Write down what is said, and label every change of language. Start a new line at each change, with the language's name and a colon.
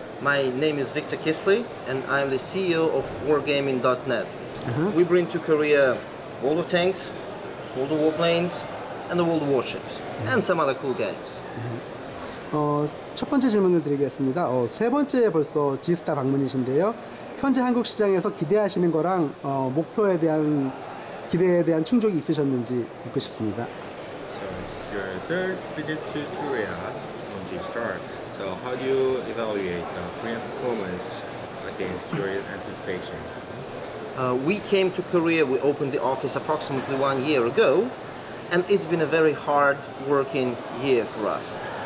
English: My name is Victor Kisley, and I'm the CEO of Wargaming.net. Uh-huh. We bring to Korea World of Tanks, World of Warplanes, and the World of Warships, uh-huh. and some other cool games. Uh-huh.
Korean: 첫 번째 질문을 드리겠습니다. 세 번째 벌써 지스타 방문이신데요. 현재 한국 시장에서 기대하시는 거랑 목표에 대한 기대에 대한 충족이 있으셨는지 묻고 싶습니다.
English: So it's your third visit to Korea on G-Star. So how do you evaluate the Korean performance against your anticipation? We came to Korea, we opened the office approximately 1 year ago, and it's been a very hard working year for us.